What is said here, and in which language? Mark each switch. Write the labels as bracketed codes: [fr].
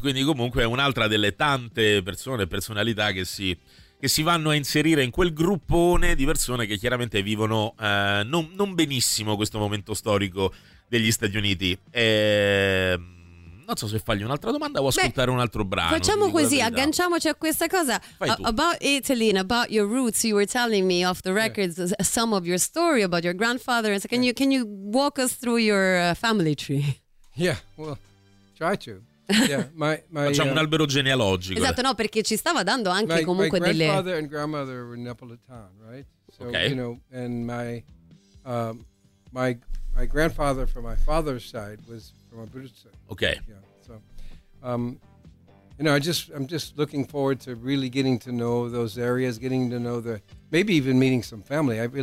[it] Quindi comunque è un'altra delle tante persone, personalità che si vanno a inserire in quel gruppone di persone che chiaramente vivono non benissimo questo momento storico degli Stati Uniti. Non so se fargli un'altra domanda o ascoltare un altro brano. Facciamo così, agganciamoci a questa cosa. [en] About Italy and about your roots, you were telling me off the records some of your story about your grandfather. So can you walk us through your family tree? Yeah, well, try to. Yeah, [it] facciamo un albero genealogico. Esatto, no, perché ci stava dando anche comunque delle. [en] My grandfather and grandmother were Neapolitan, right? So, okay. You know, and my grandfather from my father's side was from Abruzzo. Okay. Yeah. So, you know, I'm just looking forward to really getting to know those areas, getting to know the maybe even meeting some family.